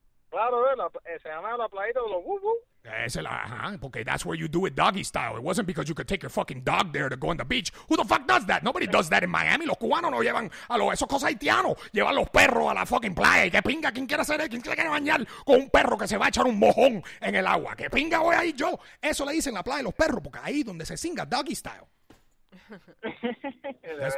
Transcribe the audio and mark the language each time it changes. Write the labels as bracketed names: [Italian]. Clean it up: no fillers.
[Spanish] Claro, se llama La Playa de los Wubu. [English] Okay, that's where you do it doggy style. It wasn't because you could take your fucking dog there to go on the beach. Who the fuck does that? Nobody does that in Miami. [Spanish] Los cubanos no llevan a los esos cosas haitianos. Llevan los perros a la fucking playa. Y que pinga, quien quiera hacer eso, quien quiera bañar con un perro que se va a echar un mojón en el agua. Que pinga voy ahí yo. Eso le dicen la playa de los perros, porque ahí donde se singa doggy style. [English] That's